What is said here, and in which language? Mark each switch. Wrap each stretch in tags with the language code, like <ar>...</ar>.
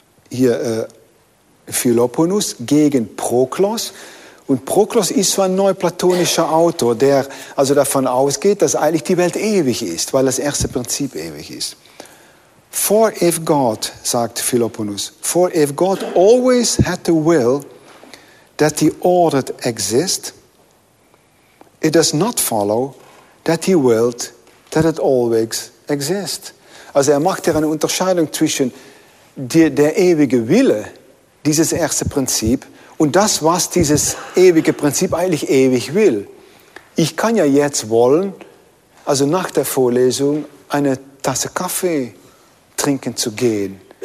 <de>Hier Philoponus gegen Proklos. Und Proklos ist so ein neuplatonischer Autor, der also davon ausgeht, dass eigentlich die Welt ewig ist, weil das erste Prinzip ewig ist.</de> <en>For if God,</en> <de>sagt Philoponus,</de> <en>for if God always had the will that he ordered exist, it does not follow that he willed that it always exist.</en> <de>Also er macht hier eine Unterscheidung zwischen der ewige Wille, dieses erste Prinzip, und das, was dieses ewige Prinzip eigentlich ewig will. Ich kann ja jetzt wollen, also nach der Vorlesung eine Tasse Kaffee trinken zu gehen.</de>